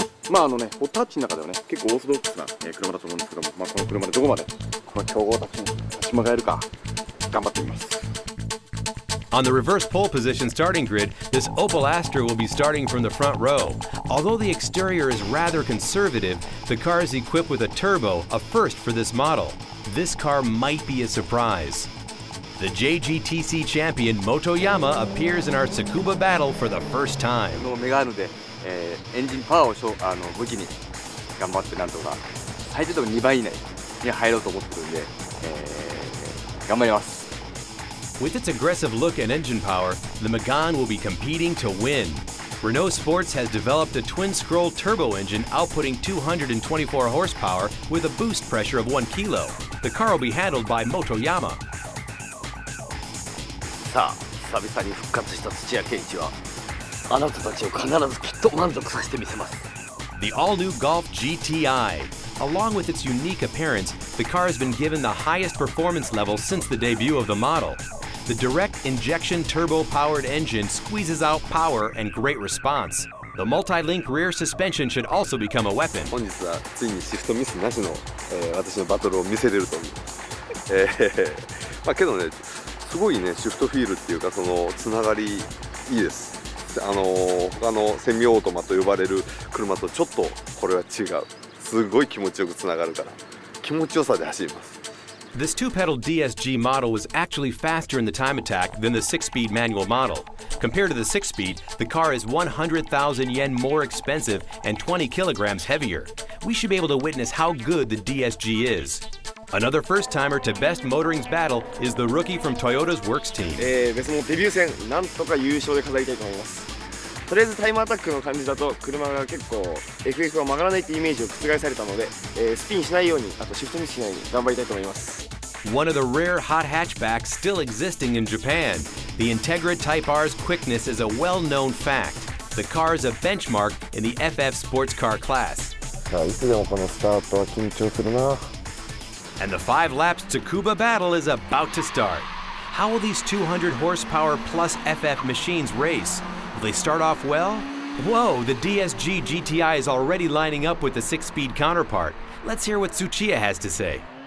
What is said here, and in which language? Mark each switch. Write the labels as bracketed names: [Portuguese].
[Japanese] まあ、あのね、ホタッチの中ではね、結構オーソドックスな車だと思うんですけども、まあ、この車でどこまでこの強豪たちに立ち向かえるか頑張ってみます。 [English] On the reverse pole position starting grid, this Opel Astra will be starting from the front row. Although the exterior is rather conservative, the car is equipped with a turbo, a first for this model. This car might be a surprise. The JGTC champion Motoyama appears in our Tsukuba battle for the first time. [Japanese] このメガネで、エンジンパワーを武器に頑張ってなんとか最低でも2倍以内に入ろうと思ってるんで、頑張ります。 [English] With its aggressive look and engine power, the Megane will be competing to win. Renault Sports has developed a twin-scroll turbo engine outputting 224 horsepower with a boost pressure of 1 kilo. The car will be handled by Motoyama. [Japanese] さあ、久々に復活した土屋圭一は、あなたたちを必ずきっと満足させてみせます。 [English] The all-new Golf GTI. Along with its unique appearance, the car has been given the highest performance level since the debut of the model. The direct injection turbo-powered engine squeezes out power and great response. The multi-link rear suspension should also become a weapon. [Japanese] 本日はついにシフトミスなしの、私のバトルを見せれると思う。まあけどね、すごいね、シフトフィールっていうか、そのつながりいいです。他のセミオートマと呼ばれる車とちょっとこれは違う。すごい気持ちよくつながるから、気持ちよさで走ります。 [English] This two-pedal DSG model was actually faster in the time attack than the six-speed manual model. Compared to the six-speed, the car is 100,000 yen more expensive and 20 kilograms heavier. We should be able to witness how good the DSG is. Another first-timer to best motoring's battle is the rookie from Toyota's works team. [Japanese] 別のデビュー戦、なんとか優勝で飾りたいと思います。とりあえずタイムアタックの感じだと車が結構 FF は曲がらないってイメージを覆されたので、スピンしないようにあとシフトミスしないように頑張りたいと思います。 [English] One of the rare hot hatchbacks still existing in Japan. The Integra Type R's quickness is a well-known fact. The car is a benchmark in the FF sports car class. [Japanese] いつでもこのスタートは緊張するな。 [English] And the 5 laps Tsukuba battle is about to start. How will these 200 horsepower plus FF machines race? Will they start off well? Whoa, the DSG GTI is already lining up with the six-speed counterpart. Let's hear what Tsuchiya has to say.